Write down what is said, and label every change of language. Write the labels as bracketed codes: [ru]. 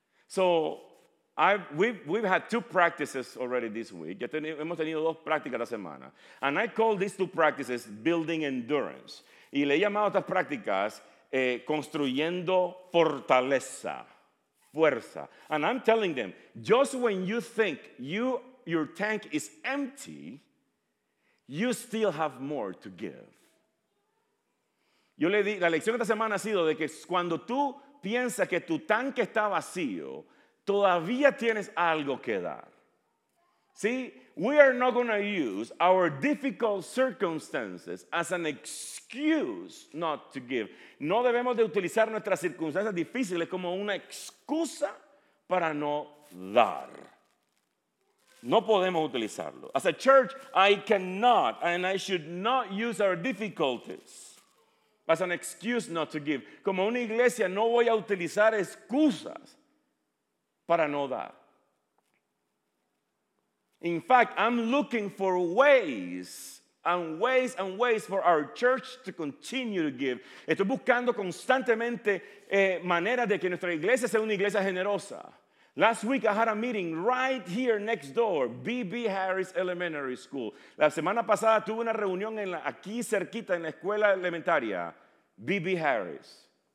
[en] So, we've had 2 practices already this week. [es] Hemos tenido 2 prácticas la semana. [en] And I call these 2 practices building endurance. [es] Y le he llamado a estas prácticas construyendo fortaleza, fuerza. [en] And I'm telling them, just when you think your tank is empty, you still have more to give. [es] Yo le di, la lección de esta semana ha sido de que cuando tú piensas que tu tanque está vacío, todavía tienes algo que dar. [en] See, we are not going to use our difficult circumstances as an excuse not to give. [es] No debemos de utilizar nuestras circunstancias difíciles como una excusa para no dar. No podemos utilizarlo. [en] As a church, I cannot and I should not use our difficulties as an excuse not to give. [es] Como una iglesia, no voy a utilizar excusas para no dar. [en] In fact, I'm looking for ways and ways and ways for our church to continue to give. [es] Estoy buscando constantemente maneras de que nuestra iglesia sea una iglesia generosa. [en] Last week I had a meeting right here next door, B.B. [es] Harris Elementary School. La semana pasada tuve una reunión aquí cerquita en la escuela elementaria, B.B. Harris.